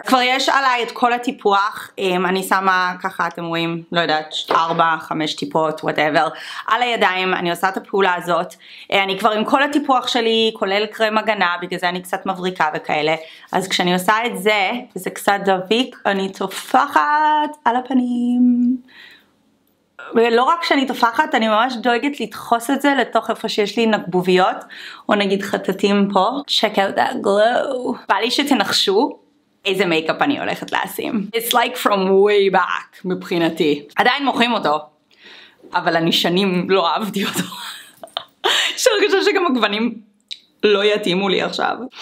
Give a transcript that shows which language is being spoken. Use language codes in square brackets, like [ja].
[he] כבר יש עליי את כל הטיפוח, אני שמה ככה, אתם רואים, לא יודעת, 4-5 טיפות, whatever, על הידיים, אני עושה את הפעולה הזאת, אני כבר עם כל הטיפוח שלי, כולל קרם הגנה, בגלל זה אני קצת מבריקה וכאלה, אז כשאני עושה את זה, וזה קצת דביק, אני טופחת על הפנים. ולא רק שאני תופחת, אני ממש דואגת לדחוס את זה לתוך איפה שיש לי נקבוביות, או נגיד חטטים פה. [en] Check out that glow. [he] בא לי שתנחשו איזה מייקאפ אני הולכת לשים. [en] It's like from way back, [he] מבחינתי. עדיין מוכרים אותו, אבל אני שנים לא אהבתי אותו. יש לי הרגשה שגם הגוונים לא יתאימו לי עכשיו.